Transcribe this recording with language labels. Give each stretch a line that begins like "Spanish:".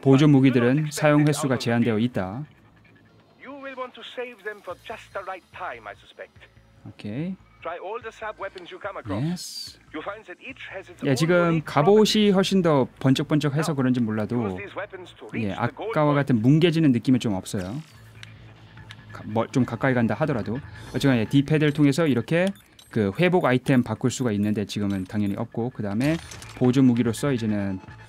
Korean: 보조 무기들은 사용 횟수가 제한되어 있다.
English: You will want to save them for just the right time, I suspect. Okay. Try all the sub weapons you come across. Yes. You find that each has its own.
Korean: 예, 지금 갑옷이 훨씬 더 번쩍번쩍해서 그런지 몰라도, 예, 아까와 같은 뭉개지는 느낌이 좀 없어요. 뭐 좀 가까이 간다 하더라도. 어쨌거나 예, D패드를 통해서 이렇게 그 회복 아이템 바꿀 수가 있는데 지금은 당연히 없고, 그 다음에 보조 무기로서 이제는